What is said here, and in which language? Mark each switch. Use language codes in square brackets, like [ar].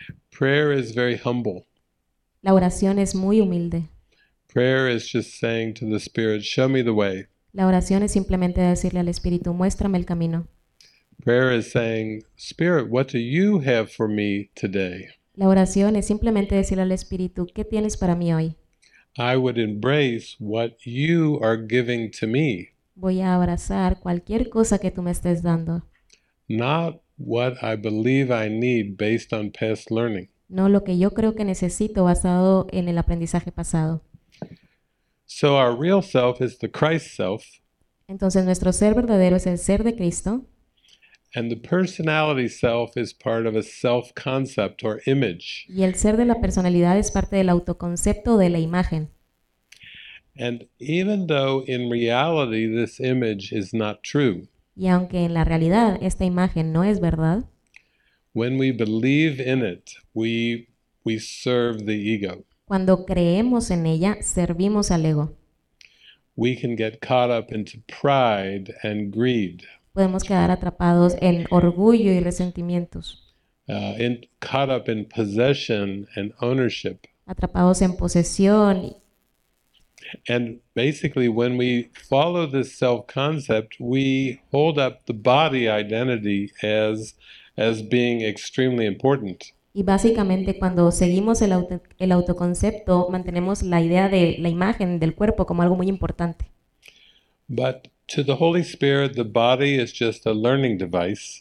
[en] Prayer is very humble. [es] La oración es muy humilde. [en] Prayer is just saying to the Spirit, show me the way. [es] La oración es simplemente decirle al Espíritu, muéstrame el camino. [en] Prayer is saying, Spirit, what do you have for me today? [es] La oración es simplemente decirle al Espíritu, ¿qué tienes para mí hoy? [en] I would embrace what you are giving to me, [es] Voy a abrazar cualquier cosa que tú me estés dando. [en] not what I believe I need based on past learning. [es] No lo que yo creo que necesito basado en el aprendizaje pasado. [en] So our real self is the Christ self. [es] Entonces nuestro ser verdadero es el ser de Cristo. [en] And the personality self is part of a self-concept or image. [es] Y el ser de la personalidad es parte del autoconcepto de la imagen. [en] And even though in reality this image is not true, [es] Y aunque en la realidad esta imagen no es verdad, [en] when we believe in it, we serve the ego. [es] cuando creemos en ella, servimos al ego. [en] We can get caught up into pride and greed. [es] Podemos quedar atrapados en orgullo y resentimientos. [en] Caught up in possession and ownership. [es] Atrapados en posesión. [en] And basically, when we follow this self-concept, we hold up the body identity as being extremely important. [es] Y básicamente cuando seguimos el autoconcepto, mantenemos la idea de la imagen del cuerpo como algo muy importante. [en] But to the Holy Spirit, the body is just a learning device.